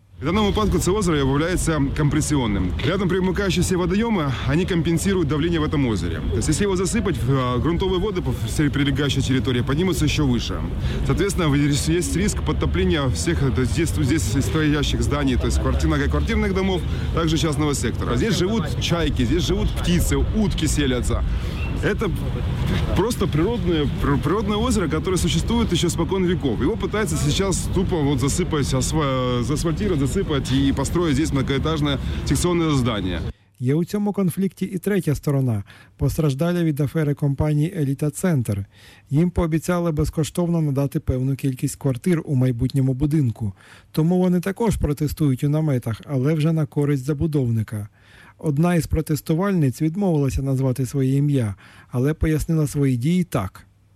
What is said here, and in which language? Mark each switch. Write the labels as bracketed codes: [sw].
[uk] В даному випадку це озеро є компресіонним. Рядом примикаючися водойоми, вони компенсують давлення в цьому озері. Тобто, якщо його засипати, ґрунтові води по всій прилегаючій території піднімуться ще вище. Відповідно, є ризик підтоплення всіх [ru] стоящих зданий, [uk] тобто квартир, многоквартирних домів, також частного сектору. Тут живуть чайки, тут живуть птиці, утки селяться. [ru] Это просто природное озеро, которое существует еще спокон веков. Его пытаются сейчас тупо вот засыпать, заасфальтировать, засыпать и построить здесь многоэтажное секционное здание. [uk] Є у цьому конфлікті і третя сторона – постраждалі від афери компанії «Еліта Центр». Їм пообіцяли безкоштовно надати певну кількість квартир у майбутньому будинку. Тому вони також протестують у наметах, але вже на користь забудовника. Одна із протестувальниць відмовилася назвати своє ім'я, але пояснила свої дії так.